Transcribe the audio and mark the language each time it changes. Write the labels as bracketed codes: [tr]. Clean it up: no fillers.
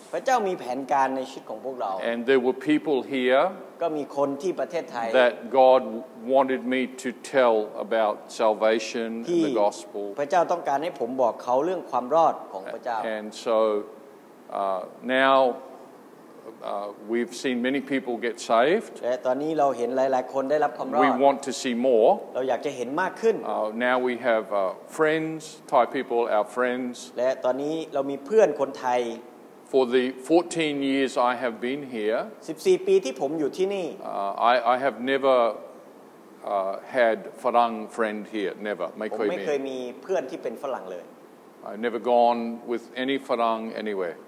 [th] พระเจ้ามีแผนการในชีวิตของพวกเรา [en] And there were people here. [th] ก็มีคนที่ประเทศไทย [en] That God wanted me to tell about salvation and the gospel. [th] พระเจ้าต้องการให้ผมบอกเขาเรื่องความรอดของพระเจ้า [en] And so now. We've seen many people get saved. [th] และตอนนี้เราเห็นหลายๆคนได้รับความรอด [en] We want to see more. [th] เราอยากจะเห็นมากขึ้น [en] Now we have friends, Thai people, our friends. [th] และตอนนี้เรามีเพื่อนคนไทย [en] For the 14 years I have been here. [th] 14ปีที่ผมอยู่ที่นี่ [en] I have never had Farang friend here. Never. [th] ไม่เคยมีผมไม่เคยมีเพื่อนที่เป็นฝรั่งเลย [en] I've never gone with any Farang anywhere.